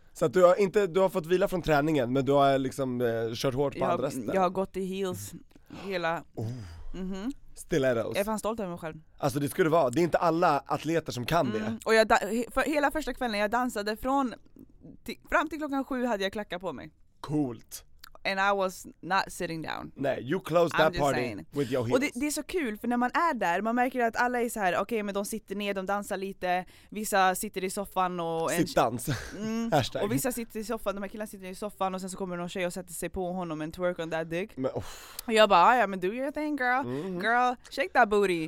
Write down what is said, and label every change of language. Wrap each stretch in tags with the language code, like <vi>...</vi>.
<sv>Så att du har fått vila från träningen, men du har liksom kört hårt på andra ställen. Jag har gått i heels hela. Stilettos. Jag är fan stolt över mig själv. Alltså det skulle vara. Det är inte alla atleter som kan det. Och hela första kvällen jag dansade fram till klockan 7 hade jag klackar på mig. Coolt.</sv> <en>And I was not sitting down. Nej, you closed that party with your heels.</en> <sv>Och det är så kul, för när man är där, man märker att alla är så här, okej, men de sitter ner, de dansar lite. Vissa sitter i soffan och sittdans. Hashtag. Och vissa sitter i soffan, de här killarna sitter i soffan och sen så kommer någon tjej och sätter sig på honom</sv> <en>and twerk on that dick.</en> <sv>Men, och jag bara, ja, men</sv> <en>do your thing, girl. Mm-hmm. Girl, shake that booty.</en>